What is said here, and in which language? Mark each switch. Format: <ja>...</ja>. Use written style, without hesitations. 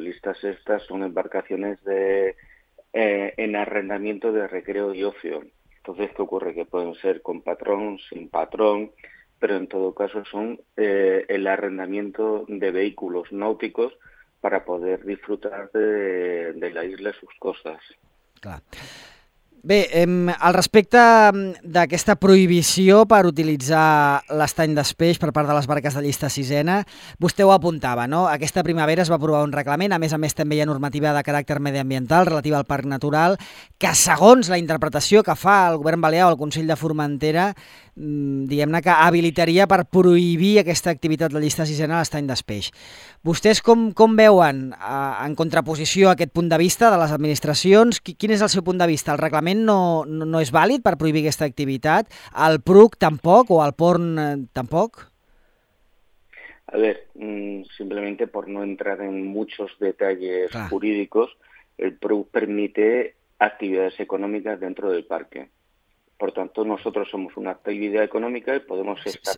<es>Lista sexta son embarcaciones de en arrendamiento de recreo y ocio. Entonces, ¿qué ocurre? Que pueden ser con patrón, sin patrón, pero en todo caso son el arrendamiento de vehículos náuticos para poder disfrutar de la isla y sus costas.</es> <ca>Clar. Bé, al respecte d'aquesta prohibició per utilitzar l'Estany d'Espeix per part de les barques de llista sisena, vostè ho apuntava, no? Aquesta primavera es va aprovar un reglament, a més també hi ha normativa de caràcter mediambiental relativa al parc natural, que segons la interpretació que fa el govern balear o el Consell de Formentera, diguem-ne que habilitaria per prohibir aquesta activitat de llista sisena a l'Estany d'Espeix. Vostès com veuen en contraposició aquest punt de vista de les administracions? Quin és el seu punt de vista? El reglament no és vàlid per prohibir aquesta activitat? El PRUC tampoc o el PORN tampoc?</ca> <es>A ver, simplemente por no entrar en muchos detalles jurídicos, el PRUC permite actividades económicas dentro del parque. Por tanto, nosotros somos una actividad económica y podemos estar...</es>